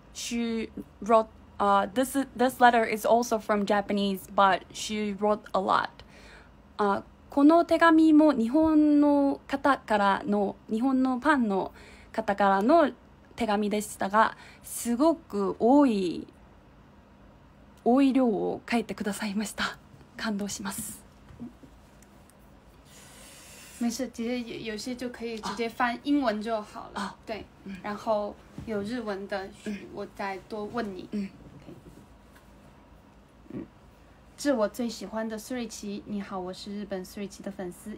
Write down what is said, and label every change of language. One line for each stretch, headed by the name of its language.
English: She wrote, this letter is also from Japanese, but she wrote a lot.
Japanese: この手紙も日本の方からの、日本のファンの方からの手紙でしたが、すごく多い量を書いてくださいました。感動します。
Chinese: 没事，其实有些就可以直接翻英文就好了。对，然后有日文的，我再多问你。致我最喜欢的苏瑞琪，你好，我是日本苏瑞琪的粉丝。